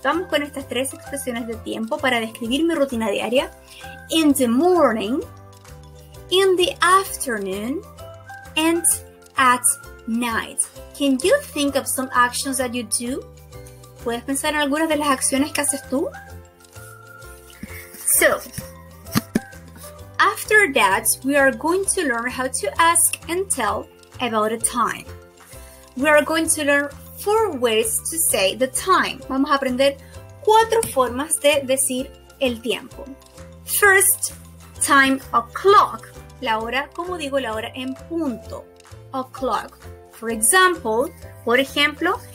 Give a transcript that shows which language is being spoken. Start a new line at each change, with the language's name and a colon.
Spanish: Vamos con estas tres expresiones de tiempo para describir mi rutina diaria.
English: In the morning, in the afternoon, and at night. Can you think of some actions that you do?
Spanish: ¿Puedes pensar en algunas de las acciones que haces tú?
English: So, after that, we are going to learn how to ask and tell about a time. We are going to learn four ways to say the time.
Spanish: Vamos a aprender cuatro formas de decir el tiempo.
English: First, time o'clock.
Spanish: La hora, como digo, la hora en punto.
English: O'clock. For example,
Spanish: por ejemplo,